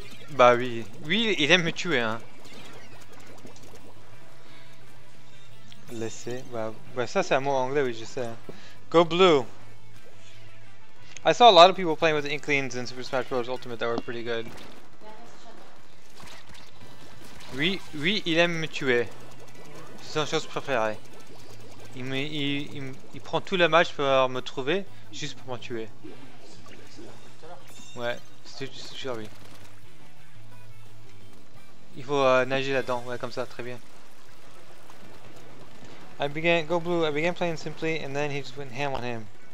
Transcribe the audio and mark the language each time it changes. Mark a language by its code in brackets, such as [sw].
[fr] Bah oui, oui, il aime me tuer, hein. Laissez, bah ça c'est un mot anglais, oui, je sais. [en] Go blue! I saw a lot of people playing with Inklings in Super Smash Bros. Ultimate that were pretty good. [fr] Oui, oui, il aime me tuer. C'est son chose préférée. Il prend tout le match pour me trouver, juste pour me tuer. Ouais, c'est sûr, oui. Il faut nager là-dedans, ouais, comme ça, très bien. [en] I began playing simply, and then he just went ham on him.